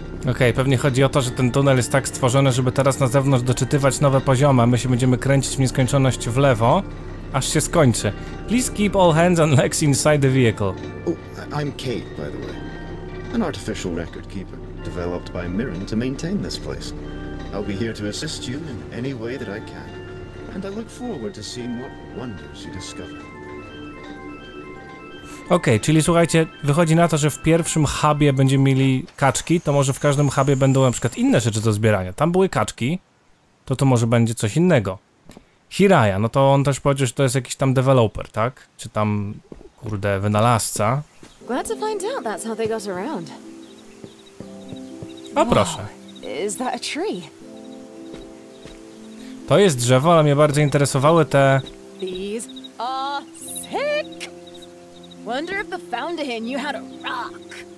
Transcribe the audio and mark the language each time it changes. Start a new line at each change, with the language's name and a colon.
Polish: Okej, pewnie chodzi o to, że ten tunel jest tak stworzony, żeby teraz na zewnątrz doczytywać nowe poziomy, a my się będziemy kręcić w nieskończoność w lewo, aż się skończy.
English: Please keep all hands and legs inside the vehicle. Oh, I'm Kate, by the way. An artificial record keeper, developed by Mirren to maintain this place. I'll be here to assist you in any way that I can. And I look forward to seeing what wonders you discover.
Polish: Okej, okay, czyli słuchajcie, wychodzi na to, że w pierwszym hubie będziemy mieli kaczki, to może w każdym hubie będą na przykład inne rzeczy do zbierania. Tam były kaczki, to może będzie coś innego. Hiraya, no to on też powiedział, że to jest jakiś tam developer, tak? Czy tam, kurde, wynalazca.
English: Glad to find out that's how they got around.
Polish: O, proszę.
English: Is that a tree?
Polish: To jest drzewo, ale mnie bardziej interesowały te...
English: These are sick! Wonder if the founder here knew how to rock.